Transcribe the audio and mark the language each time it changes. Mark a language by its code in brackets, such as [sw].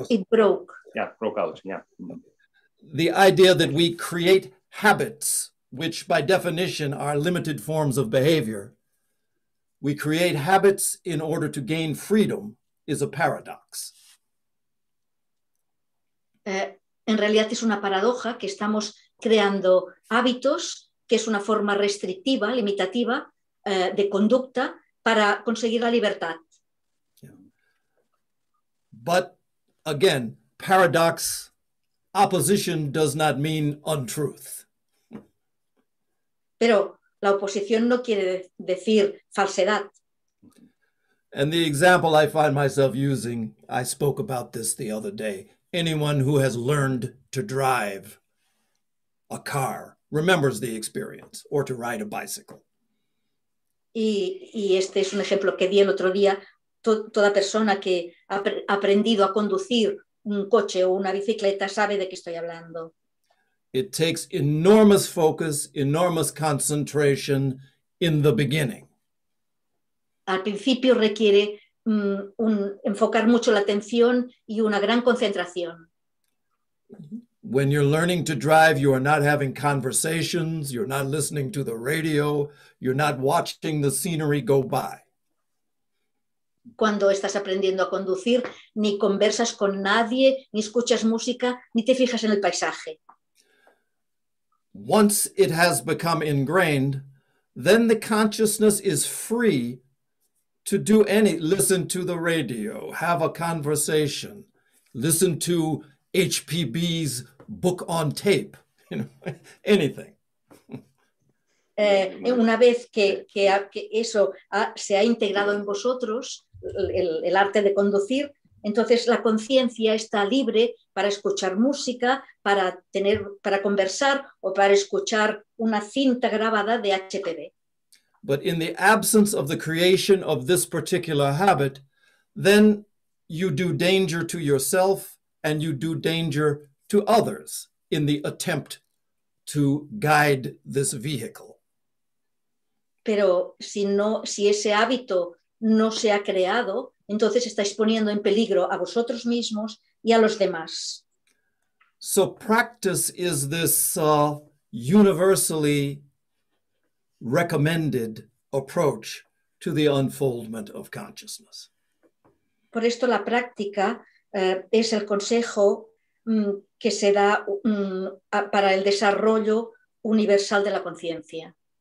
[en] It broke. Yeah, broke out, yeah. The idea that we create habits, which by definition are limited forms of behavior, we create habits in order to gain freedom is a paradox. [es] En realidad es una paradoja que estamos creando hábitos, que es una forma restrictiva, limitativa, de conducta para conseguir la libertad. [en] Yeah. But again, paradox, opposition does not mean untruth. [es] Pero la oposición no quiere decir falsedad. [en] And the example I find myself using, I spoke about this the other day. Anyone who has learned to drive a car remembers the experience, or to ride a bicycle. [es] Y este es un ejemplo que di el otro día. Toda persona que ha aprendido a conducir un coche o una bicicleta sabe de qué estoy hablando. [en] It takes enormous focus, enormous concentration in the beginning. [es] Al principio requiere enfocar mucho la atención y una gran concentración. [en] When you're learning to drive, you are not having conversations, you're not listening to the radio, you're not watching the scenery go by. [es] Cuando estás aprendiendo a conducir, ni conversas con nadie, ni escuchas música, ni te fijas en el paisaje. [en] Once it has become ingrained, then the consciousness is free to do any, listen to the radio, have a conversation, listen to HPB's book on tape, you know, anything. [es] Una vez que eso se ha integrado en vosotros, el arte de conducir, entonces la conciencia está libre para escuchar música, para conversar o para escuchar una cinta grabada de HPV. [en] But in the absence of the creation of this particular habit, then you do danger to yourself and you do danger to others in the attempt to guide this vehicle. [es] Pero si ese hábito no se ha creado, entonces estáis poniendo en peligro a vosotros mismos y a los demás. [en] So practice is this universally recommended approach to the unfoldment of consciousness. [es] Por esto la práctica es el consejo que se da para el desarrollo universal de la conciencia.